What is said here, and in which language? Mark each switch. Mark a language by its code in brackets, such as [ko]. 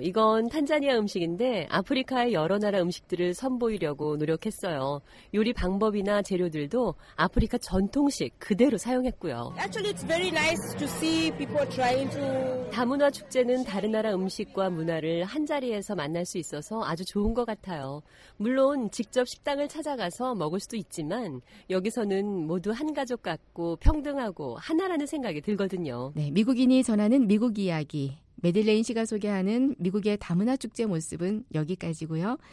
[ko] 이건 탄자니아 음식인데 아프리카의 여러 나라 음식들을 선보이려고 노력했어요. 요리 방법이나 재료들도 아프리카 전통식 그대로 사용했고요. [en] Actually, it's very nice to see people trying to. [ko] 다문화 축제는 다른 나라 음식과 문화를 한 자리에서 만날 수 있어서 아주 좋은 것 같아요. 물론 직접 식당을 찾아가서 먹을 수도 있지만 여기서는 모두 한 가족 같고 평등하고 하나라는 생각이 들거든요. 네, 미국인이 전하는 미국 이야기, 메들레인 씨가 소개하는 미국의 다문화 축제 모습은 여기까지고요.